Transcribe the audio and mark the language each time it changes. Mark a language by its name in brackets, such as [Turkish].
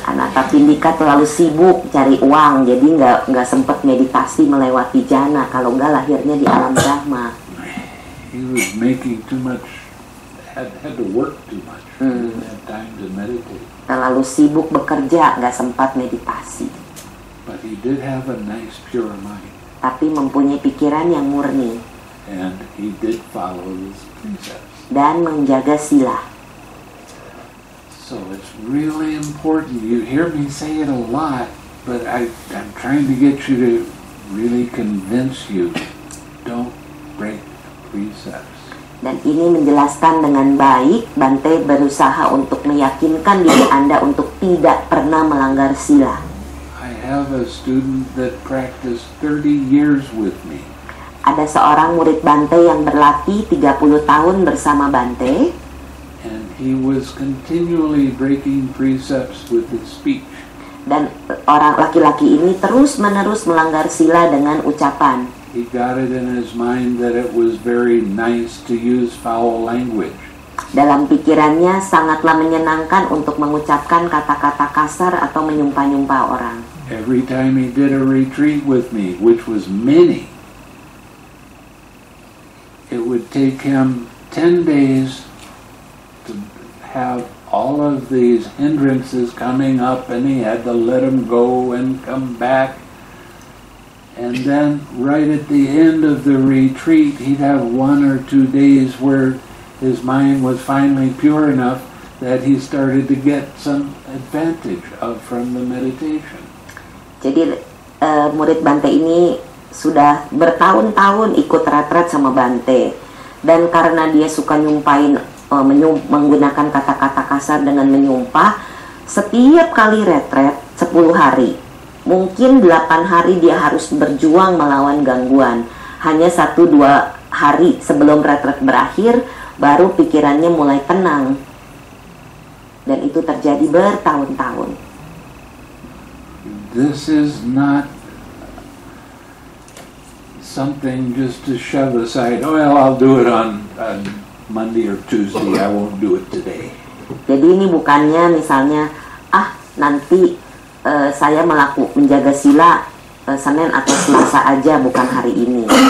[Indonesian] Anatta Pindika terlalu sibuk cari uang, jadi nggak sempat meditasi melewati jhana. Kalau nggak, lahirnya di alam brahma. [English] He was making too much, had to work too much. He didn't have time to meditate. [Indonesian] Terlalu sibuk bekerja, nggak sempat meditasi. [English] But he did have a nice pure mind. [Indonesian] Tapi mempunyai pikiran yang murni. [English] And he did follow the precepts. [Indonesian] Dan menjaga sila. [English] So it's really important. You hear me say it a lot, but I'm trying to get you to really convince you, don't break the precepts. [Indonesian] Dan ini menjelaskan dengan baik, Bante berusaha untuk meyakinkan diri Anda untuk tidak pernah melanggar sila. [English] I have a student that practiced 30 years with me. [Indonesian] Ada seorang murid Bante yang berlatih 30 tahun bersama Bante. [English] And he was continually breaking precepts with his speech. [Indonesian] Dan orang laki-laki ini terus-menerus melanggar sila dengan ucapan. [English] He got it in his mind that it was very nice to use foul language. [Indonesian] Dalam pikirannya sangatlah menyenangkan untuk mengucapkan kata-kata kasar atau menyumpah-nyumpah orang. [English] Every time he did a retreat with me, which was many, it would take him 10 days to have all of these hindrances coming up, and he had to let them go and come back. And then right at the end of the retreat, he'd have one or two days where his mind was finally pure enough that he started to get some advantage from the meditation. [Indonesian] Jadi murid Bante ini sudah bertahun-tahun ikut retret sama Bante. Dan karena dia suka nyumpahin, menggunakan kata-kata kasar dengan menyumpah, setiap kali retret 10 hari, mungkin 8 hari dia harus berjuang melawan gangguan. hanya 1-2 hari sebelum retret berakhir, baru pikirannya mulai tenang. Dan itu terjadi bertahun-tahun. [English] This is not something just to shove aside. Well, I'll do it on Monday or Tuesday. I won't do it today. [Indonesian] Jadi ini bukannya misalnya, nanti saya menjaga sila Senin atau Selasa aja, bukan hari ini.